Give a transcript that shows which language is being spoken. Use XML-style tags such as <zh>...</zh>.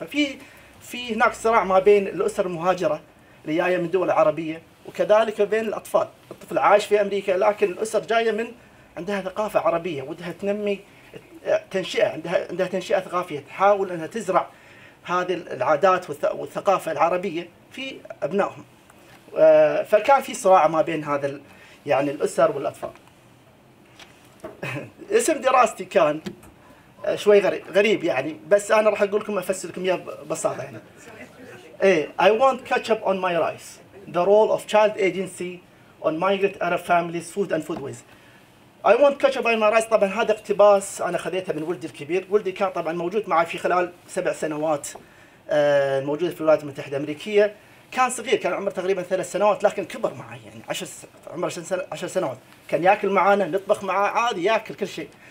<ar>ففي هناك صراع ما بين الاسر المهاجره اللي جايه من دول عربيه وكذلك بين الاطفال، الطفل عايش في امريكا لكن الاسر جايه من عندها ثقافه عربيه ودها تنمي تنشئه، عندها تنشئه ثقافيه تحاول انها تزرع هذه العادات والثقافه العربيه في ابنائهم. فكان في صراع ما بين هذا يعني الاسر والاطفال. اسم دراستي كان شوي غريب يعني، بس انا راح اقول لكم افسر لكم اياه ببساطه يعني.</ar> <en>I want ketchup on my rice. The role of child agency on migrant Arab families, food and foodways. I want ketchup on my rice.</en> <ar>طبعا هذا اقتباس انا خذيته من ولدي الكبير، ولدي كان طبعا موجود معي في خلال 7 سنوات موجود في الولايات المتحده الامريكيه. كان صغير، كان عمره تقريبا 3 سنوات لكن كبر معي يعني عمره 10 سنوات، كان ياكل معانا، نطبخ معاه عادي ياكل كل شيء.</ar>